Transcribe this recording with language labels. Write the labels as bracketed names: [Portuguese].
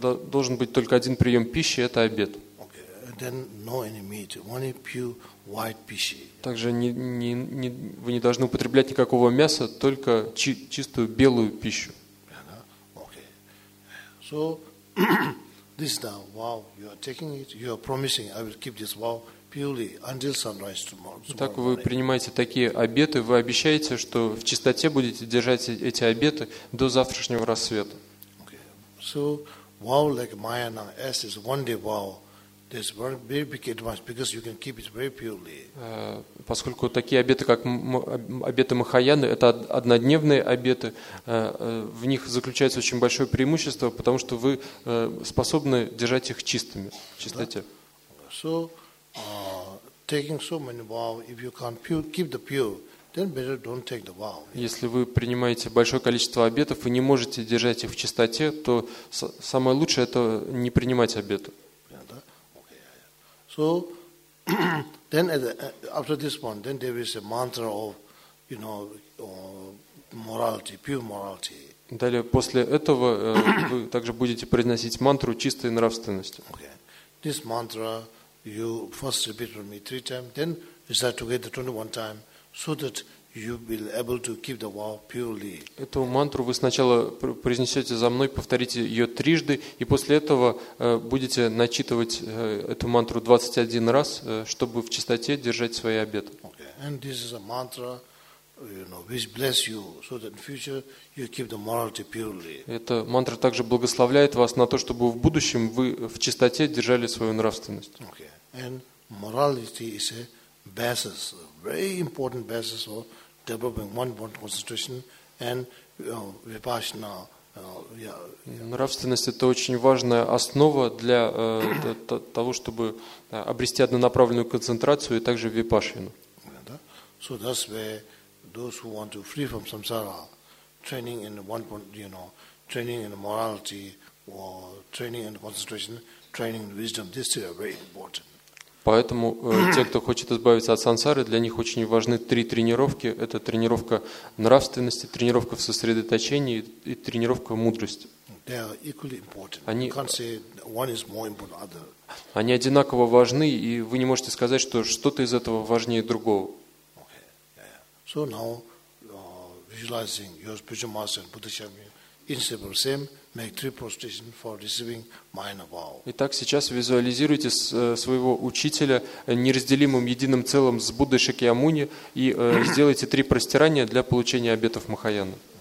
[Russian] Должен быть только один прием пищи, это обед. [English] Okay. And then no any meat, only pure white fish. [Russian] Также не вы не должны употреблять никакого мяса, только чистую белую пищу. [English] Okay. So this is the vow you are taking it, you are promising I will keep this vow. Purely until sunrise tomorrow. [Russian] Итак, вы принимаете такие обеты, вы обещаете, что в чистоте будете держать эти обеты до завтрашнего рассвета. [English] Okay. So vow like Mayana S is one day vow. There's very big advantage because you can keep it very purely. [Russian] Поскольку такие обеты, как обеты Махаяны, это однодневные обеты, в них заключается очень большое преимущество, потому что вы способны держать их чистыми, в чистоте. [English] So taking so many vow, if you can't pure, keep the pure, then better don't take the vow. [Russian] Если вы принимаете большое количество обетов и не можете держать их в чистоте, то самое лучшее это не принимать обеты. [English] So then after this one, then there is a mantra of, you know, morality, pure morality. [Russian] Далее после этого вы также будете произносить мантру чистой нравственности. [English] Okay. This mantra you first repeat with me 3 times, then recite together 21 times, so that you will be able to keep the vow purely. [Russian] Эту мантру вы сначала произнесете за мной, повторите ее трижды, и после этого будете начитывать эту мантру 21 раз, чтобы в чистоте держать свои обеты. [English] Okay. And this is a mantra, you know, which bless you, so that in future you keep the morality purely. [Russian] Эта мантра также благословляет вас на то, чтобы в будущем вы в чистоте держали свою нравственность. [English] Okay. And morality is a basis, a very important basis for developing one-point concentration and vipassana. [Russian] Нравственность — это очень важная основа для того, чтобы обрести однонаправленную концентрацию и также випашину. [English] So that's where those who want to flee from samsara, training in one-point, you know, training in morality or training in concentration, training in wisdom, these two are very important. [Russian] Поэтому те, кто хочет избавиться от сансары, для них очень важны три тренировки. Это тренировка нравственности, тренировка в сосредоточении и тренировка мудрости. [English] They are equally important. You can't say one is more important than other. [Russian] Они одинаково важны, и вы не можете сказать, что что-то из этого важнее другого. [English] So now, visualizing your spiritual master and Buddha Shakyamuni inseparable same, make three prostrations for receiving minor vow. [Russian] Итак, сейчас визуализируйте своего учителя неразделимым единым целым с Буддой Шакьямуни и сделайте три простирания для получения обетов Махаяны.